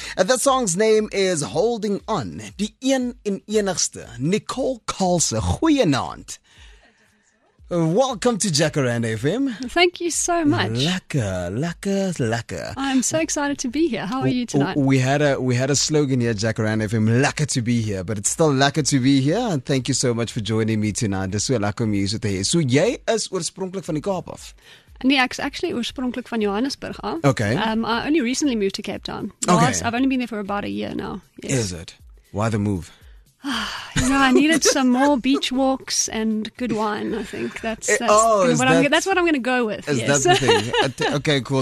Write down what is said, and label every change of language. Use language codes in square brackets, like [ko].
[en] That song's name is Holding On. [af] Die een en enigste, Nicole Kalse. Goeienaand. [en] Welcome to Jacaranda FM. Thank you so much. [af] Lekker. [en] I'm so excited to be here. How are you tonight? We had a slogan here at Jacaranda FM, lekker to be here, but it's still lekker to be here. And thank you so much for joining me tonight. [af] Dis so lekker om jou so te hê. So jy is oorspronklik van die Kaap af? Nee, ek is actually oorspronklik van Johannesburg af. [en] Okay. I only recently moved to Cape Town. I've only been there for about a year now. Yes. Is it? Why the move? I needed some more beach walks and good wine. I think that's what I'm going to go with. That the thing? Okay, cool.